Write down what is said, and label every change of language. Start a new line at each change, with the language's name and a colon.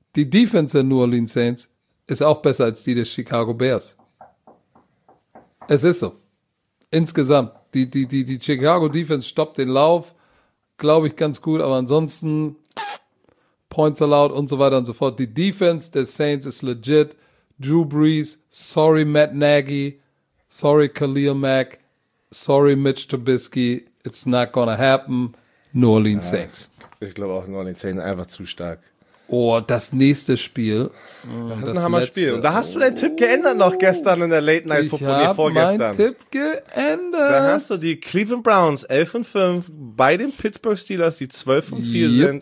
German: Die Defense der New Orleans Saints ist auch besser als die der Chicago Bears. Es ist so. Insgesamt. Die Chicago Defense stoppt den Lauf, glaube ich, ganz gut, aber ansonsten Points allowed und so weiter und so fort. Die Defense der Saints ist legit.
English: Drew Brees, sorry Matt Nagy, sorry Khalil Mack, sorry Mitch Trubisky, it's not gonna happen. New Orleans Saints.
German: Ich glaube auch, New Orleans Saints einfach zu stark. Oh, das nächste Spiel. Das ist ein Hammer-Spiel. Da hast du deinen Tipp geändert noch gestern in der Late Night Football, vorgestern. Ich habe meinen Tipp geändert. Da hast du die Cleveland Browns 11-5 bei den Pittsburgh Steelers, die 12-4 sind.